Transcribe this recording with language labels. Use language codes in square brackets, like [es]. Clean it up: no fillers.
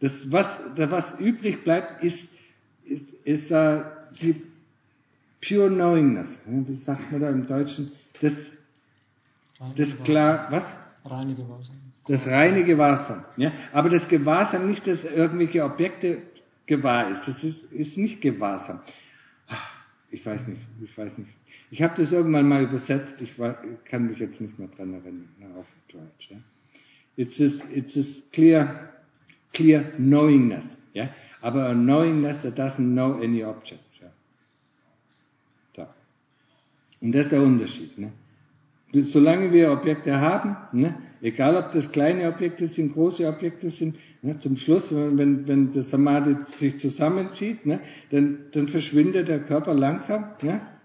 [de] Was übrig bleibt, ist die pure knowingness, wie sagt man da im Deutschen, das reine Gewahrsam, ja. Aber das Gewahrsam, nicht, dass irgendwelche Objekte gewahr ist. Das ist nicht Gewahrsam. Ich weiß nicht. Ich habe das irgendwann mal übersetzt. Ich kann mich jetzt nicht mehr dran erinnern auf Deutsch. [en] Ja. It's clear knowingness. Ja. Aber a knowingness that doesn't know any objects. [de] Ja. So. Und das ist der Unterschied. Ne. Solange wir Objekte haben, ne, egal ob das kleine Objekte sind, große Objekte sind, ne, zum Schluss, wenn das Samadhi sich zusammenzieht, ne, dann verschwindet der Körper langsam, ne?